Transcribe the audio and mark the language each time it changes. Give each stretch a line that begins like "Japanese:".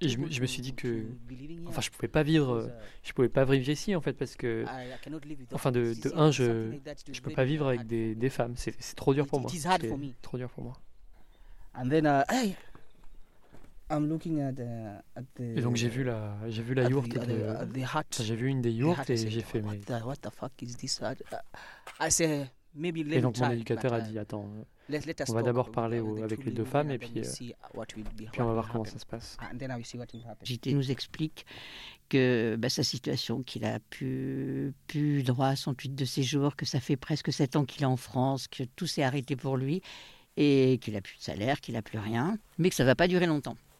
French: Je me suis dit que, enfin, je pouvais pas vivre, je pouvais pas vivre ici en fait parce que, enfin, de un, je peux pas vivre avec des femmes, c'est trop dur pour moi.
English: It's hard for me.
French: Trop dur pour moi.
English: And then hey, I'm looking at the.
French: Et donc j'ai vu la yourte.
English: The hut.
French: J'ai vu une des yourtes et j'ai fait
English: what the fuck is this hut? I say,
French: Et donc mon éducateur a dit, attends, on va d'abord parler avec les deux femmes et puis on va voir comment ça se passe. JT nous explique que sa situation, qu'il a plus droit à son titre de séjour, que ça fait presque 7 ans qu'il est en France, que tout s'est arrêté pour lui et qu'il n'a plus de salaire, qu'il n'a plus rien, mais que ça ne va pas durer longtemps.